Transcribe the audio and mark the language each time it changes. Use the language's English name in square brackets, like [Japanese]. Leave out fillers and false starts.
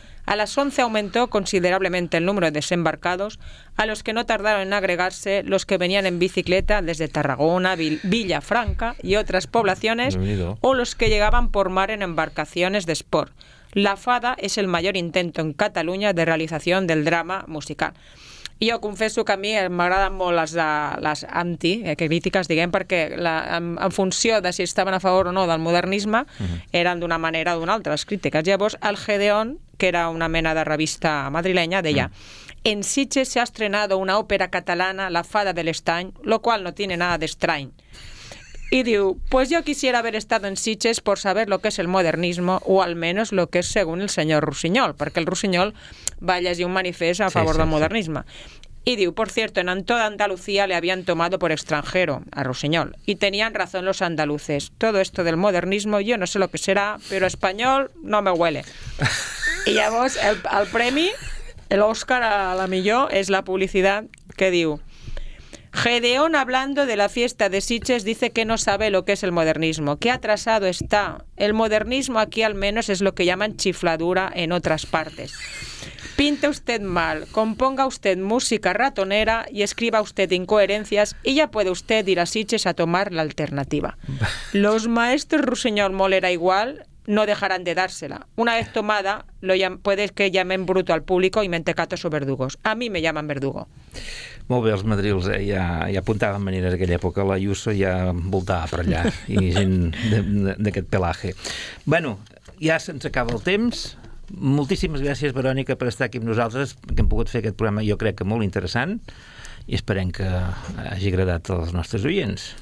[Spanish] A las 11 aumentó considerablemente el número de desembarcados, a los que no tardaron en agregarse los que venían en bicicleta desde Tarragona, Villafranca y otras poblaciones, o los que llegaban por mar en embarcaciones de sport. La Fada es el mayor intento en Cataluña de realización del drama musical. [Catalan] I jo confesso que a mi m'agraden molt les anticrítiques, diguem, perquè en funció de si estaven a favor o no del modernisme, eren d'una manera o d'una altra, les crítiques. Llavors, el Gedeón, que era una mena de revista madrileña, deia [Spanish] «En Sitges se ha estrenado una ópera catalana, La Fada de l'Estany, lo cual no tiene nada de estrany». [Catalan] I diu [Spanish] «Pues yo quisiera haber estado en Sitges por saber lo que es el modernismo, o al menos lo que es según el señor Rusiñol», [Catalan] perquè el Rusiñol va llegir un manifest a favor del modernisme. I diu, [Spanish] por cierto, en toda Andalucía le habían tomado por extranjero a Rusiñol. Y tenían razón los andaluces. Todo esto del modernismo, yo no sé lo que será, pero español no me huele. [Catalan] I llavors, el premi, l'Òscar a la millor, és la publicitat que diu... [Spanish] Gedeón, hablando de la fiesta de Sitges, dice que no sabe lo que es el modernismo. ¡Qué atrasado está! El modernismo aquí, al menos, es lo que llaman chifladura en otras partes. Pinte usted mal, componga usted música ratonera y escriba usted incoherencias y ya puede usted ir a Sitges a tomar la alternativa. Los maestros Rusiñol, Molera igual, no dejarán de dársela. Una vez tomada, puede que llamen bruto al público y mentecatos o verdugos. A mí me llaman verdugo. [Catalan] Molt bé, els madrils, ja apuntaven maneres d'aquella època, la Ayuso ja voltava per allà, i gent d'aquest pelaje. Bueno, ja se'ns acaba el temps. Moltíssimes gràcies, Verònica, per estar aquí amb nosaltres, que hem pogut fer aquest programa, jo crec que molt interessant, i esperem que hagi agradat als nostres oients.